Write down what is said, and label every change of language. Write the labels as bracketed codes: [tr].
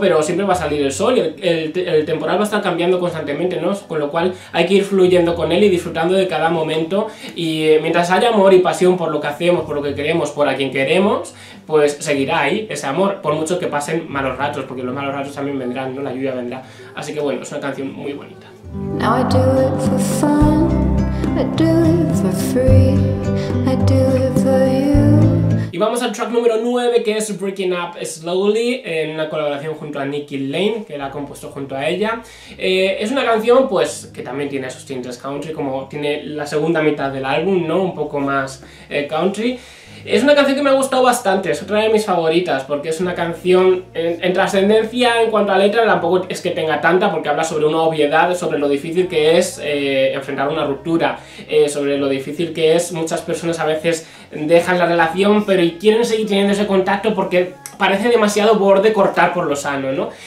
[es] Pero siempre va a salir el sol y el temporal va a estar cambiando constantemente, ¿no? Con lo cual hay que ir fluyendo con él y disfrutando de cada momento y mientras haya amor y pasión por lo que hacemos, por lo que queremos, por a quien queremos, pues seguirá ahí ese amor, por mucho que pasen malos ratos, porque los malos ratos también vendrán, ¿no? La lluvia vendrá. Así que bueno, es una canción muy bonita. [en] Now I do it for fun, I do it for free, I do it for you. [es] Y vamos al track número 9, que es Breaking Up Slowly, en una colaboración junto a Nicky Lane, que la ha compuesto junto a ella. Es una canción pues, que también tiene sus tintes country, como tiene la segunda mitad del álbum, ¿no? Un poco más country. Es una canción que me ha gustado bastante, es otra de mis favoritas, porque es una canción en trascendencia en cuanto a letra, tampoco es que tenga tanta, porque habla sobre una obviedad, sobre lo difícil que es enfrentar una ruptura, sobre lo difícil que es, muchas personas a veces dejan la relación, pero y quieren seguir teniendo ese contacto porque parece demasiado borde cortar por lo sano, ¿no?